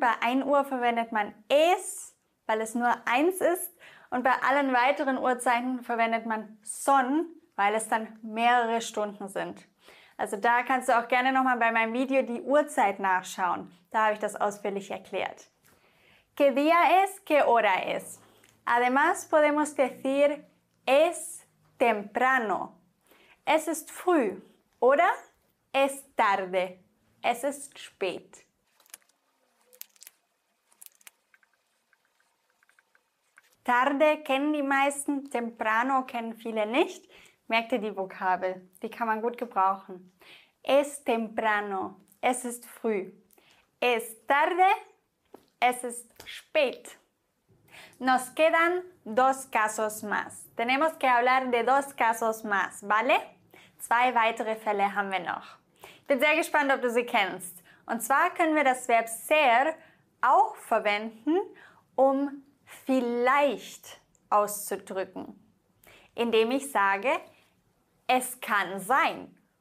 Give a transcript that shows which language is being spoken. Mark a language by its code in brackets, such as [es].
[de] Bei 1 Uhr verwendet man es, weil es nur 1 ist. Und bei allen weiteren Uhrzeiten verwendet man son, weil es dann mehrere Stunden sind. Also da kannst du auch gerne nochmal bei meinem Video die Uhrzeit nachschauen. Da habe ich das ausführlich erklärt. [es] ¿Qué día es? ¿Qué hora es? Además podemos decir es temprano. [de] Es ist früh. [es] Oder es tarde. [de] Es ist spät. Tarde kennen die meisten, temprano kennen viele nicht. Merkt ihr die Vokabel? Die kann man gut gebrauchen. [es] Es temprano. [de] Es ist früh. [es] Es tarde. [de] Es ist spät. [es] Nos quedan 2 casos más. Tenemos que hablar de 2 casos más, ¿vale? [de] 2 weitere Fälle haben wir noch. Ich bin sehr gespannt, ob du sie kennst. Und zwar können wir das Verb ser auch verwenden, um vielleicht auszudrücken. Indem ich sage, es kann sein.